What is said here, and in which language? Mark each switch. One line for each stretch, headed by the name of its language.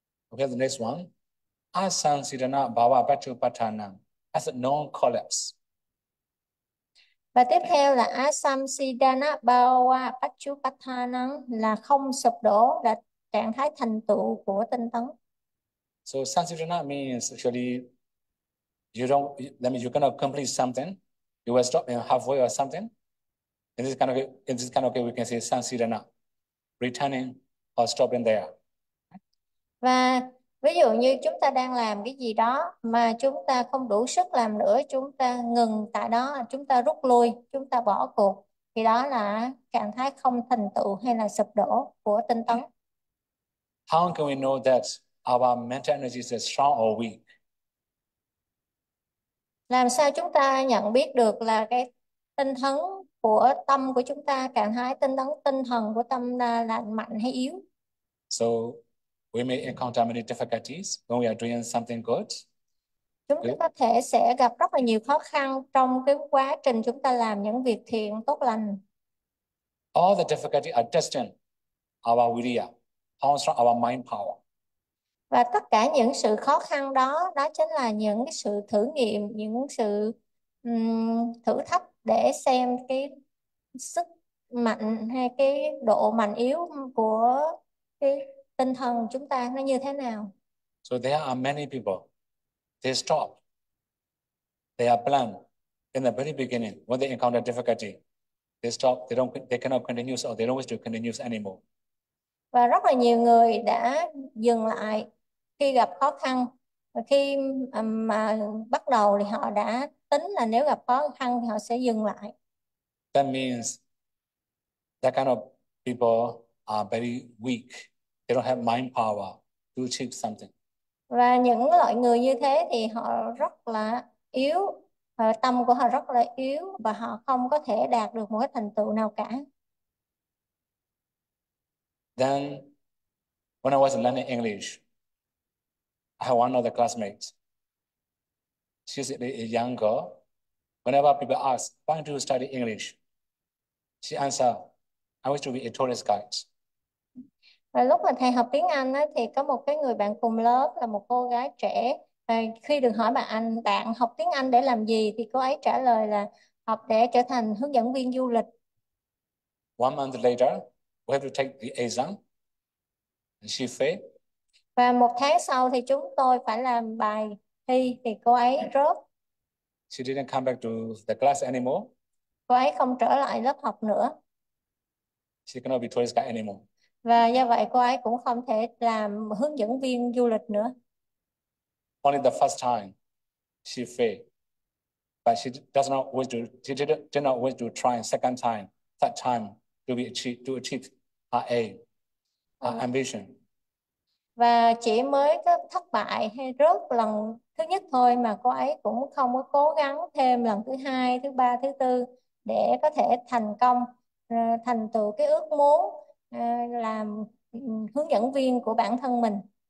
English: Okay, the next one. Asansidana bhava pachupatthana as a non-collapse.
Vietnamese: Và tiếp theo là Asamsidana Bhava Pachupatthanam, là không sụp đổ, là trạng thái thành tựu của tinh tấn.
English: So sansidana means actually you don't, that means you cannot complete something. You will stop in halfway or something. In this kind of way, we can say sansidana, returning or stopping there.
Vietnamese: Và ví dụ như chúng ta đang làm cái gì đó mà chúng ta không đủ sức làm nữa, chúng ta ngừng tại đó, chúng ta rút lui, chúng ta bỏ cuộc, thì đó là trạng thái không thành tựu hay là sụp đổ của tinh tấn.
English: How can we know that our mental energy is strong or weak?
Vietnamese: Làm sao chúng ta nhận biết được là cái tinh thần của tâm của chúng ta, trạng thái tinh thần của tâm là mạnh hay yếu?
English: So we may encounter many difficulties when we are doing something good.
Vietnamese: Chúng ta có thể sẽ gặp rất là nhiều khó khăn trong cái quá trình chúng ta làm những việc thiện tốt lành.
English: All the difficulties are testing our virya. How strong our mind power.
Vietnamese: Và tất cả những sự khó khăn đó đó chính là những cái sự thử nghiệm, những sự thử thách để xem cái sức mạnh hay cái độ mạnh yếu của cái tinh thần chúng ta nó như thế nào.
English: So there are many people. They stop. They are blind in the very beginning when they encounter difficulty. They stop. They cannot continue, or they don't wish to continue anymore.
Vietnamese: Và rất là nhiều người đã dừng lại khi gặp khó khăn, khi mà bắt đầu thì họ đã tính là nếu gặp khó khăn thì họ sẽ dừng lại.
English: That means that kind of people are very weak. They don't have mind power to achieve something.
Vietnamese: Và những loại người như thế thì họ rất là yếu, tâm của họ rất là yếu và họ không có thể đạt được một cái thành tựu nào cả.
English: Then, when I was learning English, I had one of the classmates. She's a young girl. Whenever people ask, why don't you study English? She answered, I wish to be a tourist guide.
Vietnamese: Và lúc mà thầy học tiếng Anh ấy, thì có một cái người bạn cùng lớp là một cô gái trẻ. Và khi được hỏi bạn học tiếng Anh để làm gì thì cô ấy trả lời là học để trở thành hướng dẫn viên du lịch.
English: One month later, we have to take the exam. And she failed.
Vietnamese: Và một tháng sau thì chúng tôi phải làm bài thi thì cô ấy drop.
English: She didn't come back to the class anymore.
Vietnamese: Cô ấy không trở lại lớp học nữa.
English: She cannot be tourist guide anymore.
Vietnamese: Và do vậy cô ấy cũng không thể làm hướng dẫn viên du lịch nữa.
English: Only the first time she failed. But she does not wish to, she did not wish to try a second time, third time to achieve her aim, her ambition.
Vietnamese: và chỉ mới thất bại hay rớt lần thứ nhất thôi mà cô ấy cũng không có cố gắng thêm lần thứ hai, thứ ba, thứ tư để có thể thành công, thành tựu cái ước muốn làm hướng dẫn viên của bản thân mình.